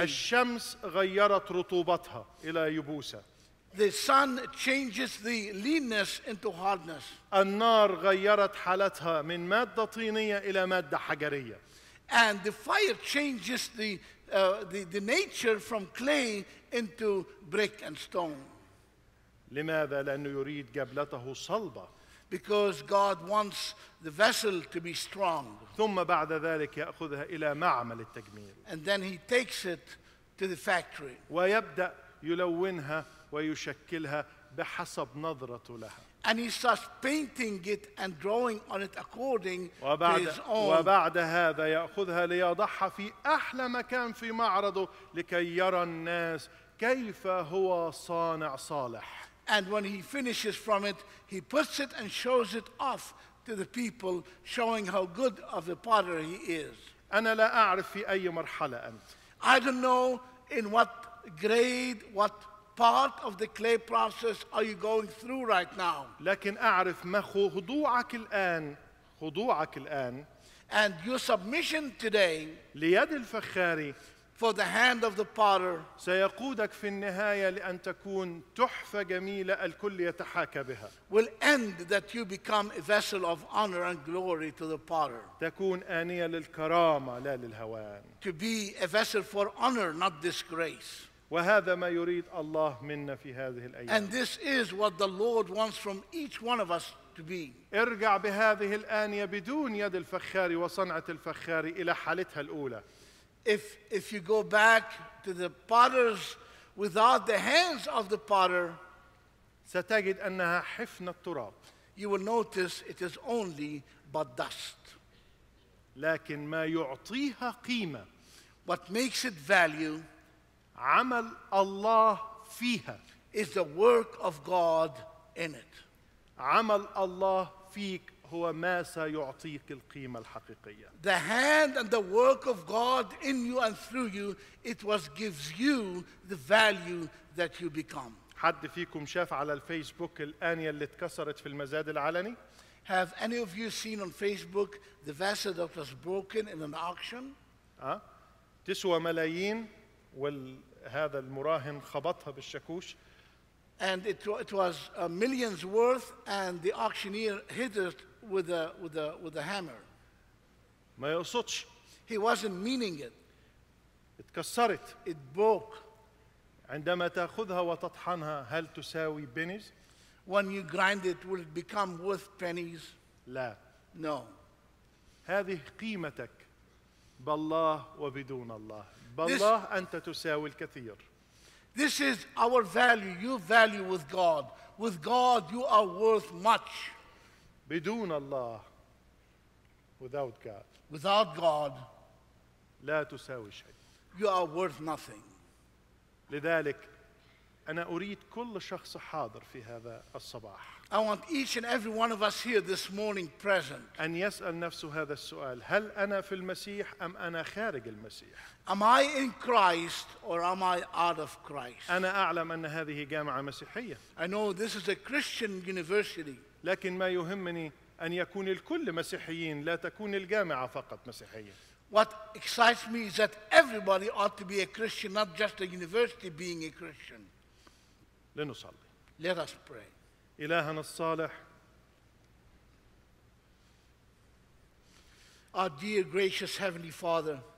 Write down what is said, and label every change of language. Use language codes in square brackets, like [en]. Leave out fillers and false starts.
[ar] الشمس غيرت رطوبتها إلى يبوسة. [en] The sun changes the leanness into hardness. [ar] النار غيرت حالتها من مادة طينية إلى مادة حجرية. [en] And the fire changes the nature from clay into brick and stone. [ar] لماذا؟ لأنه يريد جبلته صلبة. [en] Because God wants the vessel to be strong. [ar] ثم بعد ذلك يأخذها إلى معمل التجميل. [en] And then he takes it to the factory. [ar] ويبدأ يلونها ويشكلها بحسب نظرته لها. [en] And he starts painting it and drawing on it according [ar] وبعد, [en] to his own. [ar] وبعد هذا يأخذها ليضعها في أحلى مكان في معرضه لكي يرى الناس كيف هو صانع صالح. [en] And when he finishes from it, he puts it and shows it off to the people, showing how good of a potter he is. [ar] أنا لا أعرف في أي مرحلة أنت. [en] I don't know in what grade, what part of the clay process are you going through right now? [ar] لكن أعرف ما خضوعك الآن, خضوعك الآن. [en] And your submission today. [ar] ليد الفخاري. [en] For the hand of the potter. [ar] سيقودك في النهاية لأن تكون تحفة جميلة الكل يتحاكى بها. [en] Will end that you become a vessel of honor and glory to the potter. [ar] تكون آنية للكرامة لا للهوان. [en] To be a vessel for honor, not disgrace. [ar] وهذا ما يريد الله منا في هذه الأيام. [en] And this is what the Lord wants from each one of us to be. [ar] ارجع بهذه الآنية بدون يد الفخار وصنعة الفخار إلى حالتها الأولى. [en] If you go back to the potter's without the hands of the potter, [ar] ستجد أنها حفنة تراب. [en] You will notice it is only but dust. [ar] لكن ما يعطيها قيمة. [en] What makes it value? [ar] عمل الله فيها [en] is the work of God in it. [ar] عمل الله فيك هو ما سيعطيك القيمة الحقيقية. [en] The hand and the work of God in you and through you, it was gives you the value that you become. [ar] حد فيكم شاف على الفيسبوك الآنية اللي اتكسرت في المزاد العلني؟ [en] Have any of you seen on Facebook the vase that was broken in an auction? [ar] تسوى ملايين وهذا المراهن خبطها بالشاكوش. [en] And it was millions worth, and the auctioneer hit it with a hammer. [ar] ما يقصدش. [en] He wasn't meaning it. [ar] اتكسرت. [en] It broke. [ar] عندما تأخذها وتطحنها هل تساوي بنز؟ [en] When you grind it, will it become worth pennies? [ar] لا. [en] No. [ar] هذه قيمتك بالله وبدون الله. بالله أنت تساوي الكثير. [en] This is our value, your value with God. With God, you are worth much. [ar] بدون الله, [en] without God. Without God, [ar] لا تساوي شيء. [en] You are worth nothing. [ar] لذلك أنا أريد كل شخص حاضر في هذا الصباح. [en] I want each and every one of us here this morning present. [ar] أن يسأل نفسه هذا السؤال, هل أنا في المسيح أم أنا خارج المسيح؟ [en] Am I in Christ or am I out of Christ? [ar] أنا أعلم أن هذه جامعة مسيحية. [en] I know this is a Christian university. [ar] لكن ما يهمني أن يكون الكل مسيحيين, لا تكون الجامعة فقط مسيحية. [en] What excites me is that everybody ought to be a Christian, not just a university being a Christian. [ar] لنصلي. [en] Let us pray. [ar] إلهنا الصالح. [en] Our dear gracious heavenly Father,